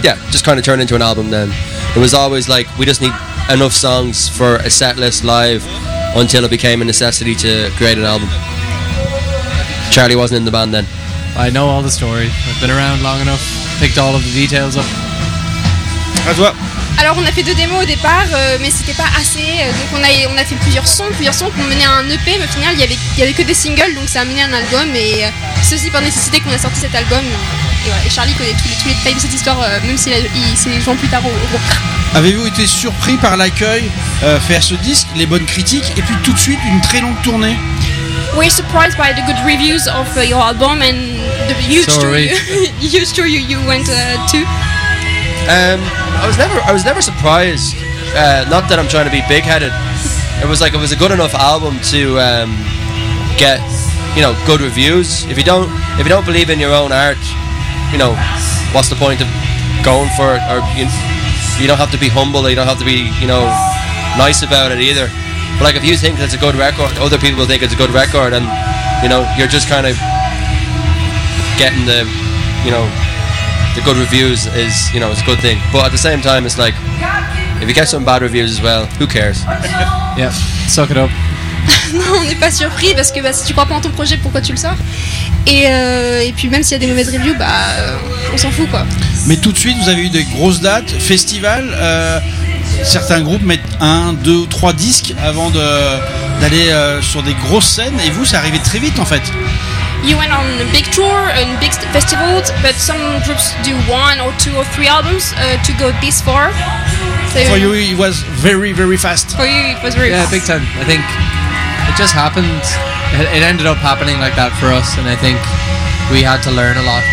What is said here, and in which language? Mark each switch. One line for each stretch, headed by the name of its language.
English: Just kind of turned into an album. Then it was always like we just need enough songs for a set list live until it became a necessity to create an album. Charlie wasn't in the band then. I know all the story. I've been around long enough, picked all of the details up. As well.
French: Alors on a fait deux démos au départ, mais c'était pas assez. Donc on a fait plusieurs sons qui ont mené à un EP, mais au final il y avait que des singles, donc ça a mené à un album. Et c'est aussi par nécessité qu'on a sorti cet album. Et voilà, et Charlie connaît tous les détails de cette histoire, même s'il s'est joint plus tard au groupe. Avez-vous été surpris par l'accueil fait à ce disque, les bonnes critiques, et puis tout de suite une très longue tournée?
English: We're surprised by the good reviews of your album and the huge tour you went to. I was never surprised. Not that I'm trying to be big-headed. It was a good enough album to get, you know, good reviews. If you don't believe in your own art, you know, what's the point of going for it? Or you don't have to be humble. You don't have to be, you know, nice about it either. But like, if you think it's a good record, other people will think it's a good record, and you know, you're just kind of getting the, you know. The good reviews is, you know, it's a good thing. But at the same time, it's like, if you get some bad reviews as well, who cares? Yeah, suck it up.
French: Non, on n'est pas surpris, parce que si tu crois pas en ton projet, pourquoi tu le sors? Et puis même s'il y a des mauvaises reviews, on s'en fout, quoi. Mais tout de suite, vous avez eu des grosses dates, festivals. Certains groupes mettent un, deux ou trois disques avant d'aller sur des grosses scènes. Et vous, c'est arrivé très vite, en fait.
English: You went on a big tour and big festivals, but some groups do one or two or three albums to go this far. So for you, it was very, very fast. For you, it was very fast. Yeah, big time. I think it just happened. It ended up happening like that for us, and I think we had to learn a lot.